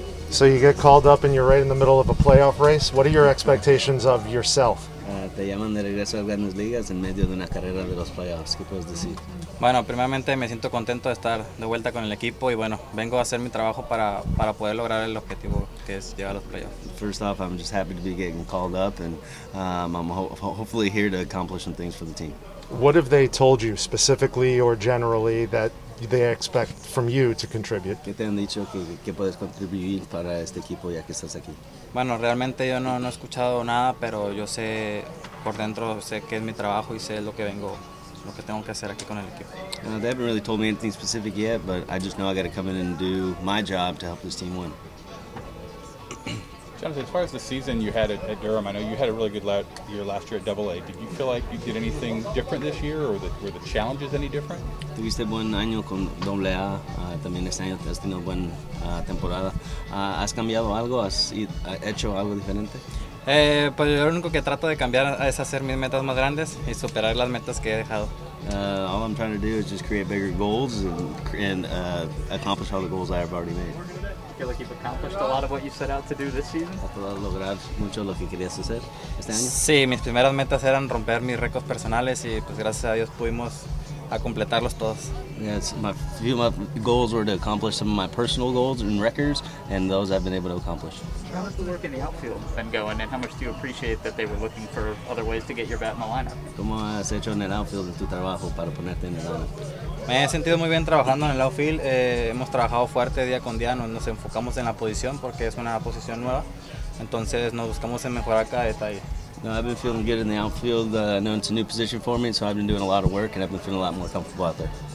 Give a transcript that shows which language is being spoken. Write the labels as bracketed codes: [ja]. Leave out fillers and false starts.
[en] So you get called up and you're right in the middle of a playoff race. What are your expectations of yourself? [es] Te llaman de regreso a Grandes Ligas en medio de una carrera de los playoffs. ¿Qué puedes decir? Bueno, primeramente me siento contento de estar de vuelta con el equipo y bueno, vengo a hacer mi trabajo para poder lograr el objetivo que es llegar a los playoffs. [en] First off, I'm just happy to be getting called up and I'm hopefully here to accomplish some things for the team. What have they told you specifically or generally that they expect from you to contribute? [es] ¿Qué te han dicho que puedes contribuir para este equipo ya que estás aquí? Bueno, realmente yo no he escuchado nada, pero yo sé por dentro, sé que es mi trabajo y sé lo que vengo, lo que tengo que hacer aquí con el equipo. [en] They haven't really told me anything specific yet, but I just know I got to come in and do my job to help this team win. Jonathan, as far as the season you had at Durham, I know you had a really good year last year at Double A. Did you feel like you did anything different this year, or were the challenges any different? [es] Tuviste buen año con Double A, también este año has tenido buena temporada. ¿Has cambiado algo? ¿Has hecho algo diferente? Pues lo único que trato de cambiar es hacer mis metas más grandes y superar las metas que he dejado. [en] All I'm trying to do is just create bigger goals and accomplish all the goals I have already made. Feel like you've accomplished a lot of what you set out to do this season. [es] ¿Has podido lograr mucho lo que querías hacer este año? Sí, mis primeras metas eran romper mis récords personales y pues gracias a Dios pudimos a completarlos todos. [en] Yes, my goals were to accomplish some of my personal goals and records, and those I've been able to accomplish. How has the work in the outfield been going, and how much do you appreciate that they were looking for other ways to get your bat in the lineup? [es] ¿Cómo has hecho en el outfield en tu trabajo para ponerte en el lineup? Me he sentido muy bien trabajando en el outfield. Hemos trabajado fuerte día con día. Nos enfocamos en la posición porque es una posición nueva. Entonces nos buscamos en mejorar cada detalle. [en] No, I've been feeling good in the outfield. I know it's a new position for me, so I've been doing a lot of work and I've been feeling a lot more comfortable out there.